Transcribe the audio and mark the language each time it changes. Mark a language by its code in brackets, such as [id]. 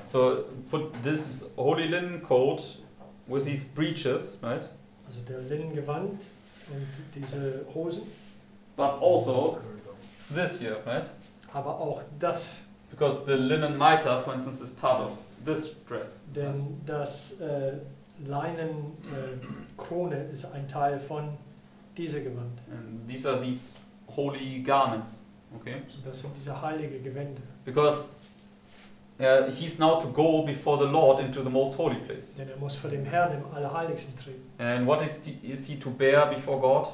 [en] So put this holy linen coat with these breeches, right? [de] Also der Linnengewand und diese Hosen. [en] But also this here, right? [de] Aber auch das. [en] Because the linen mitre, for instance, is part of this dress. [de] Denn das Leinen Krone ist ein Teil von dieser Gewand. [en] And these are these holy garments. Okay. [de] Das sind diese heilige Gewände. [en] Because he's now to go before the Lord into the most holy place. [de] Denn muss vor dem Herrn im Allerheiligsten treten. [en] And what is he to bear before God?